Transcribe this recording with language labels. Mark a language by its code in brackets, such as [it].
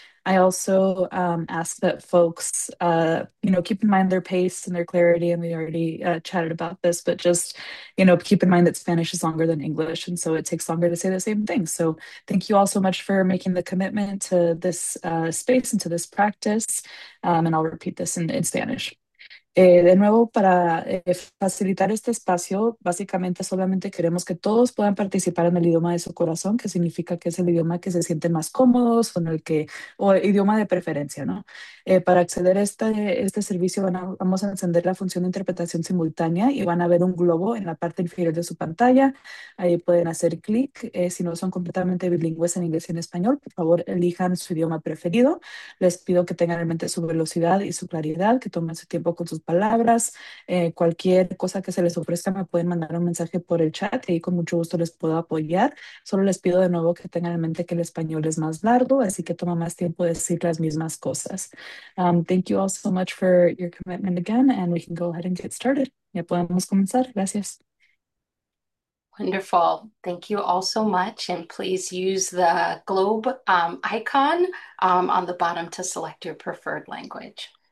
[en] I also ask that folks, keep in mind their pace and their clarity. And we already chatted about this, but just, keep in mind that Spanish is longer than English, and so it takes longer to say the same thing. So thank you all so much for making the commitment to this space and to this practice. And I'll repeat this in Spanish. [es] De nuevo, para facilitar este espacio, básicamente solamente queremos que todos puedan participar en el idioma de su corazón, que significa que es el idioma que se sienten más cómodos con el que, o el idioma de preferencia, ¿no? Para acceder a este servicio, vamos a encender la función de interpretación simultánea y van a ver un globo en la parte inferior de su pantalla. Ahí pueden hacer clic. Si no son completamente bilingües en inglés y en español, por favor, elijan su idioma preferido. Les pido que tengan en mente su velocidad y su claridad, que tomen su tiempo con sus palabras. Cualquier cosa que se les ofrezca, me pueden mandar un mensaje por el chat y con mucho gusto les puedo apoyar. Solo les pido de nuevo que tengan en mente que el español es más largo, así que toma más tiempo decir las mismas cosas. [en] Thank you all so much for your commitment again, and we can go ahead and get started. [es] Ya podemos comenzar. Gracias. [en] Wonderful. Thank you all so much. And please use the globe icon on the bottom to select your preferred language.